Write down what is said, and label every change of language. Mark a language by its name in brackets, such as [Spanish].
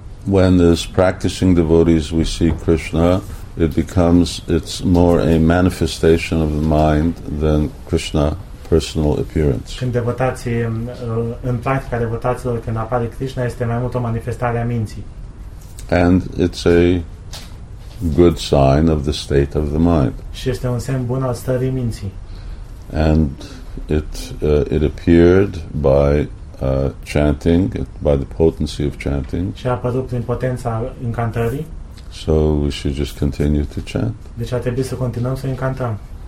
[English] When as practicing devotees we see Krishna, it's more a manifestation of the mind than Krishna personal appearance. [Romanian] Când devotații în practica devotaților când apare Krishna este mai mult o manifestare a minții. [English] And it's a good sign of the state of the mind. [Romanian] Și este un semn bun al stării minții. [English] And it appeared by chanting, by the potency of chanting. [Romanian] Și a apărut prin potența incantării. [English] So we should just continue to chant. [Romanian] Deci ar trebui să continuăm să încântăm.